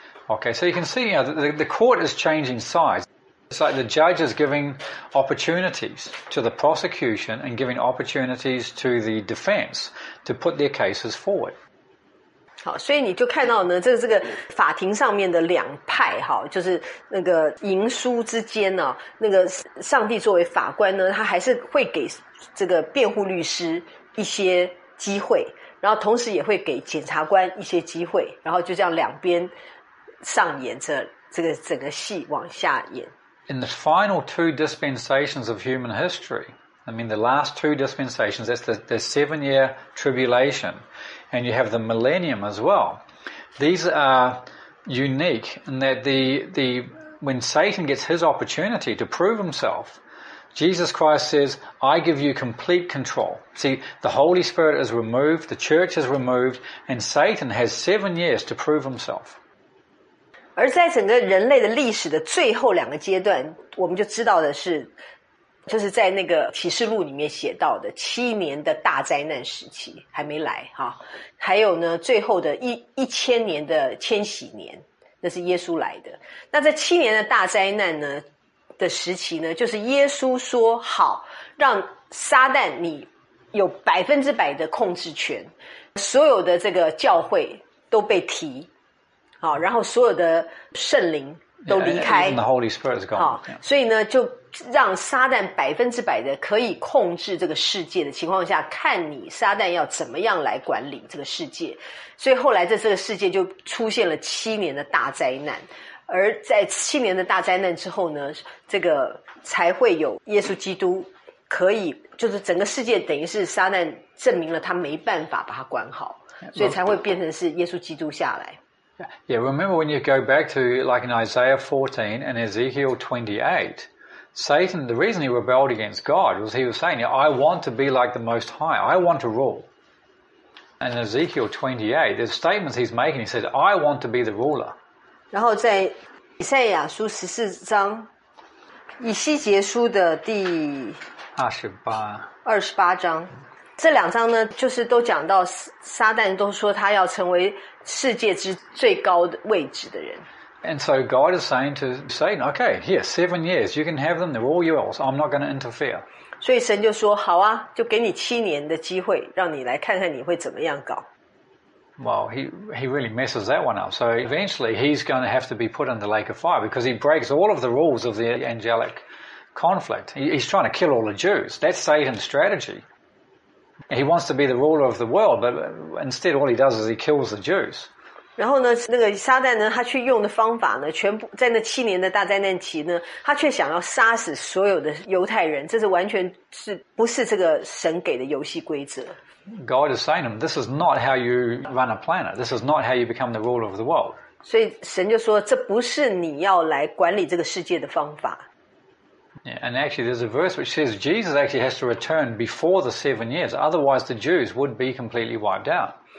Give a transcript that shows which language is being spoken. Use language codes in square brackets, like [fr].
[en] Okay, so you can see, you know, the court is changing size. It's like the judge is giving opportunities to the prosecution and giving opportunities to the defense to put their cases forward. [zh] 好，所以你就看到呢，这个法庭上面的两派哈，就是那个赢输之间呢，那个上帝作为法官呢，他还是会给这个辩护律师一些机会，然后同时也会给检察官一些机会，然后就这样两边上演着这个整个戏往下演。 [en] In the final two dispensations of human history, I mean the last two dispensations, that's the seven-year tribulation, and you have the millennium as well. These are unique in that the when Satan gets his opportunity to prove himself, Jesus Christ says, I give you complete control. See, the Holy Spirit is removed, the church is removed, and Satan has 7 years to prove himself. [zh] 而在整个人类的历史的最后两个阶段，我们就知道的是，就是在那个启示录里面写到的七年的大灾难时期还没来哈，还有呢最后的一千年的千禧年，那是耶稣来的。那这七年的大灾难呢的时期呢，就是耶稣说好让撒旦你有100%的控制权，所有的这个教会都被提。好，然后所有的圣灵都离开 [en] yeah, the Holy Spirit is gone. [zh] 好，所以呢就让撒旦100%的可以控制这个世界的情况下，看你撒旦要怎么样来管理这个世界。所以后来在这个世界就出现了七年的大灾难，而在七年的大灾难之后呢，这个才会有耶稣基督可以，就是整个世界等于是撒旦证明了他没办法把他管好，所以才会变成是耶稣基督下来。 [en] Yeah, remember when you go back to like in Isaiah 14 and Ezekiel 28, Satan, the reason he rebelled against God was he was saying, I want to be like the Most High, I want to rule. And in Ezekiel 28, there's statements he's making, he said, I want to be the ruler. [zh] 然后在以赛亚书14章，以西结书的第 28章，这两章呢，就是都讲到撒旦都说他要成为世界之最高的位置的人。 [en] And so God is saying to Satan, okay, here, 7 years, you can have them, they're all yours, I'm not going to interfere. [zh] 所以神就说，好啊，就给你七年的机会，让你来看看你会怎么样搞。 [en] Well, he really messes that one up. So eventually he's going to have to be put in the lake of fire because he breaks all of the rules of the angelic conflict. He's trying to kill all the Jews. That's Satan's strategy. He wants to be the ruler of the world, but instead all he does is he kills the Jews. [zh] 然后呢，那个撒旦呢，他去用的方法呢，全部在那七年的大灾难期呢，他却想要杀死所有的犹太人，这是完全是不是这个神给的游戏规则。 [en] God is saying to him, this is not how you run a planet. This is not how you become the ruler of the world. [zh] 所以神就说，这不是你要来管理这个世界的方法。 [en] Yeah, and actually there's a verse which says Jesus actually has to return before the 7 years, otherwise the Jews would be completely wiped out.